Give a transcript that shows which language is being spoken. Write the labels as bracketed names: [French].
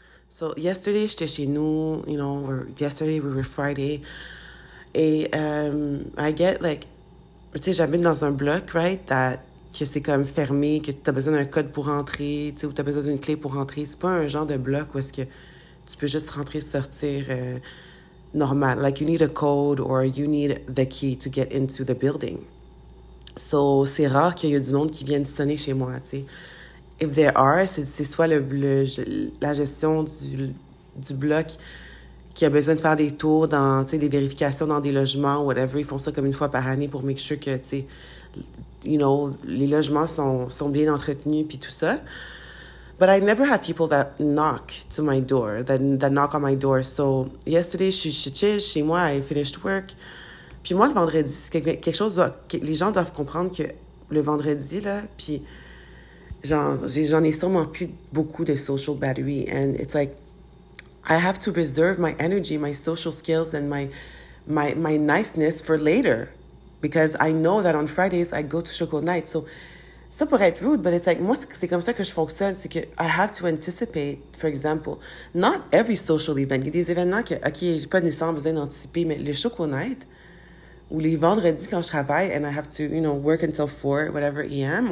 [French] So yesterday, j'étais chez nous, you know, we were Friday, et I get like, tu sais, j'habite dans un bloc, right, that, que c'est comme fermé, que t'as besoin d'un code pour entrer, tu sais, ou t'as besoin d'une clé pour entrer. C'est pas un genre de bloc où est-ce que tu peux juste rentrer et sortir normal. [English] Like, you need a code or you need the key to get into the building. [French] So, c'est rare qu'il y ait du monde qui vienne sonner chez moi, tu sais. If there are, c'est soit la gestion du bloc qui a besoin de faire des tours dans, tu sais, des vérifications dans des logements, whatever. Ils font ça comme une fois par année pour make sure que, tu sais, you know, les logements sont bien entretenus puis tout ça. [English] But I never have people that knock to my door, that knock on my door. So yesterday, je chill chez moi, I finished work. [French] Puis moi, le vendredi, les gens doivent comprendre que le vendredi, là, puis j'en ai sûrement plus beaucoup de social battery. [English] And it's like, I have to reserve my energy, my social skills, and my niceness for later. Because I know that on Fridays, I go to Chocolat Night. [French] So, ça pourrait être rude, but it's like, moi, c'est comme ça que je fonctionne. C'est que I have to anticipate, for example, not every social event. Il y a des événements que, OK, j'ai pas nécessairement besoin d'anticiper, mais le Chocolat Night, ou les vendredis quand je travaille, and I have to, you know, work until 4, whatever, a.m.